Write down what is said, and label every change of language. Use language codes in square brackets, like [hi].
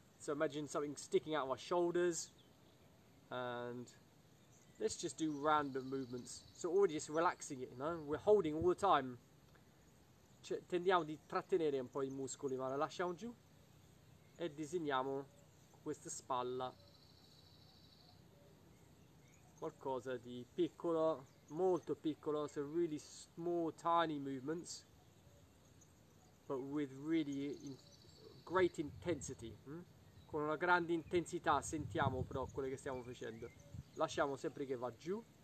[en] So imagine something sticking out of our shoulders. And let's just do random movements. So already just relaxing it, no? We're holding all the time. [it] Cioè, tendiamo di trattenere un po' i muscoli, ma la lasciamo giù. E disegniamo questa spalla. Qualcosa di piccolo, molto piccolo. [en] So really small, tiny movements. But with really great intensity, [it] con una grande intensità sentiamo però quello che stiamo facendo. Lasciamo sempre che va giù.